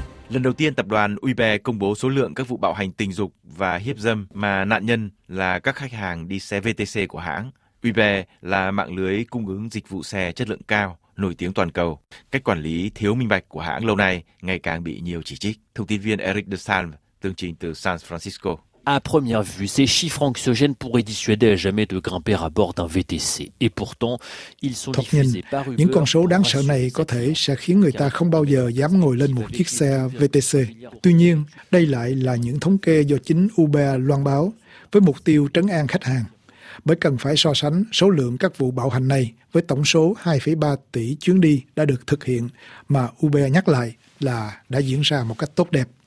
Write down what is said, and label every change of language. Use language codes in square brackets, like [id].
[vi] Lần đầu tiên tập đoàn Uber công bố số lượng các vụ bạo hành tình dục và hiếp dâm mà nạn nhân là các khách hàng đi xe VTC của hãng. Uber là mạng lưới cung ứng dịch vụ xe chất lượng cao, nổi tiếng toàn cầu. Cách quản lý thiếu minh bạch của hãng lâu nay ngày càng bị nhiều chỉ trích. Thông tin viên Eric De Salm, tường trình từ San Francisco. [fr] À première vue, ces chiffres anxiogènes pourraient dissuader à jamais de grimper à bord d'un VTC. Et pourtant, ils sont diffusés par Uber. [vi] Những con số đáng sợ này có thể sẽ khiến người ta không bao giờ dám ngồi lên một chiếc xe VTC. Tuy nhiên, đây lại là những thống kê do chính Uber loan báo với mục tiêu trấn an khách hàng. Bởi cần phải so sánh số lượng các vụ bạo hành này với tổng số 2,3 tỷ chuyến đi đã được thực hiện mà Uber nhắc lại là đã diễn ra một cách tốt đẹp.